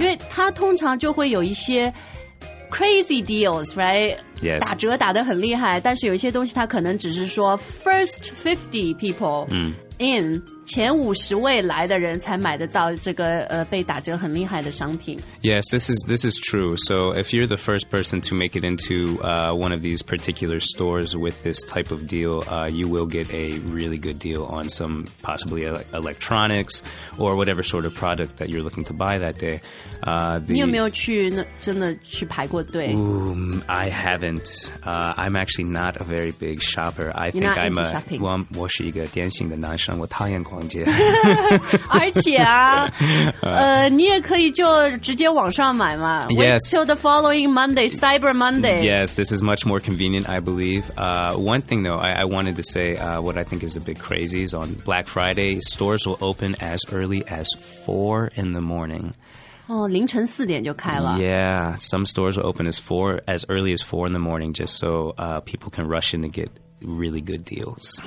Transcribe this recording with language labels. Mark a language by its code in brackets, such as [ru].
[zh] 因为它通常就会有一些 [en] Crazy deals, right? Yes. [zh] 打折打得很厉害，但是有一些东西它可能只是说 [en] first 50 people、 mm. [zh] in, 前五十位来的人才买得到这个被打折很厉害的商品。 [en] Yes, this is true. So if you're the first person to make it into one of these particular stores with this type of deal, you will get a really good deal on some possibly electronics or whatever sort of product that you're looking to buy that day. [zh] 你有没有去真的去排过队? [en] I haven't. I'm actually not a very big shopper. I think I'm a [zh] 我是一个典型的男生，我讨厌逛街。而且啊，你也可以就直接网上买嘛。 [en] Yes. Wait till the following Monday, Cyber Monday. Yes, this is much more convenient, I believe. One thing though, I wanted to say what I think is a bit crazy is on Black Friday, stores will open as early as 4 in the morning. [zh] 哦，凌晨四点就开了。 [en] Yeah, some stores will open as early as four in the morning, just so people can rush in to get really good deals.